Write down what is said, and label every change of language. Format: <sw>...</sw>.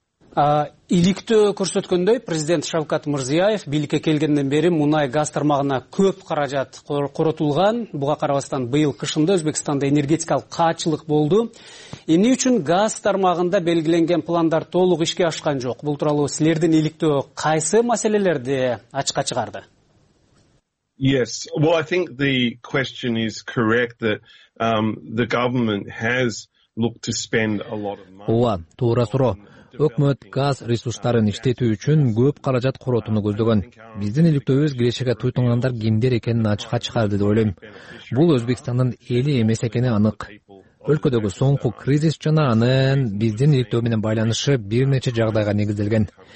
<ky>Иликтөө көрсөткөндөй, президент Шавкат Мырзияев бийликке келгенден бери мунай газ тармагына көп каражат коротулган. Буга карабастан, быйыл кышында Өзбекстанда энергетикалык каачылык болду. Эмне үчүн газ тармагында белгиленген пландар толук ишке ашкан жок? Бул тууралуу силердин иликтөө кайсы маселелерди ачыкка чыгарды?</ky> <en>Yes. Well, I think the question is correct that the government has looked to spend a lot of money.</en> <ky>Ооба, туура суроо. Өкмөт газ ресурстарын иштетүү үчүн көп каражат коротууну көздөгөн. Биздин иликтөөбүз келечекке туйтунгандар кимдер экенин ачыкка чыгарды деп ойлойм. Бул Өзбекстандын эли эмес экени анык. Өлкөдөгү соңку кризис жана анын биздин иликтөө менен байланышы бир нече жагдайга негизделген.</ky>